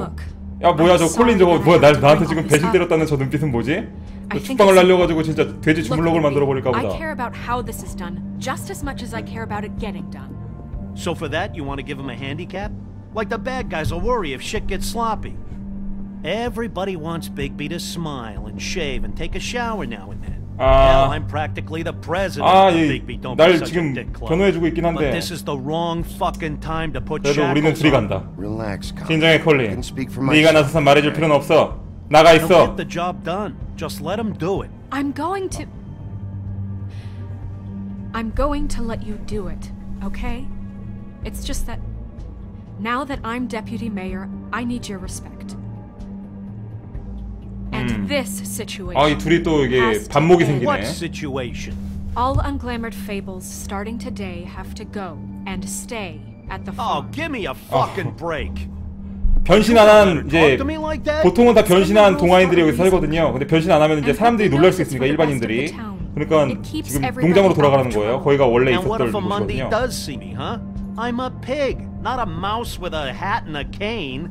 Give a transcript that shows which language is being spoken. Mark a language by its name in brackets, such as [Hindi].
[Korean] 야 뭐야 저 콜린 저거 뭐야 나 나한테 지금 배신 때렸다는 저 눈빛은 뭐지? 축방을 날려 가지고 진짜 돼지 주물럭을 만들어 버릴까 보다. [English] I care about how this is done just as much as I care about it getting done. So for that you want to give him a handicap? Like the bad guys will worry if shit gets sloppy. Everybody wants Bigby to smile and shave and take a shower now and then. Now I'm practically the president of Bigby. Don't be such a dick club. [Korean] 변호해주고 있긴 한데. [English] But this is the wrong fucking time to put shackles on. [Korean] 우리는 둘이 간다. [English] Relax, [Korean] 긴장해, 콜린. 네가 나서서 말해줄 필요는 없어. 나가 있어. [English] Get the job done. Just let him do it. I'm going to let you do it. Okay? It's just that now that I'm deputy mayor, I need your respect. This situation. [Korean] 아, 이 둘이 또 이게 반목이 생기네. [English] What situation? All unglamored fables starting today have to go and stay at the. Oh, give me a fucking break. [Korean] 변신 안 한 이제 보통은 다 변신한 동화인들이 여기 살거든요. 근데 변신 안 하면 이제 사람들이 놀랄 수 있으니까 일반인들이. 그러니까 지금 농장으로 돌아가는 거예요. 거기가 원래 있었던 곳이거든요. [English] Does see me, huh? I'm a pig, not a mouse with a hat and a cane.